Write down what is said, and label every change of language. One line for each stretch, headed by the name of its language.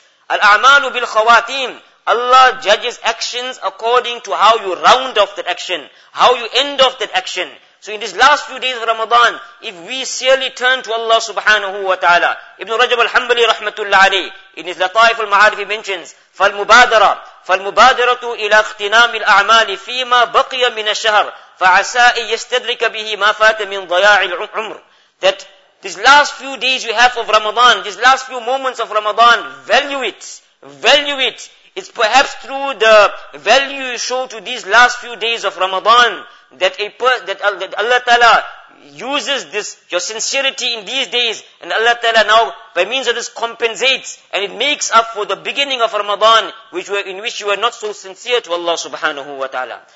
Arabic: Al-a'malu bil khawatim.
English: Allah judges actions according to how you round off that action, how you end off that action. So in these last few days of Ramadan, if we sincerely turn to Allah subhanahu wa ta'ala, Ibn Rajab al-Hanbali rahmatullahi alayhi, in his Lataif al-Ma'arif, he mentions, فَالْمُبَادَرَةِ
Arabic: فالمبادرة إلى اختنام الأعمال فيما بقي من الشهر فعسى يستدرك به ما فات من ضياع العمر.
English: That these last few days we have of Ramadan, these last few moments of Ramadan, value it, value it. It's perhaps through the value you show to these last few days of Ramadan that Allah Ta'ala uses this, your sincerity in these days, and Allah Ta'ala now by means of this compensates and it makes up for the beginning of Ramadan in which you were not so sincere to Allah subhanahu wa ta'ala.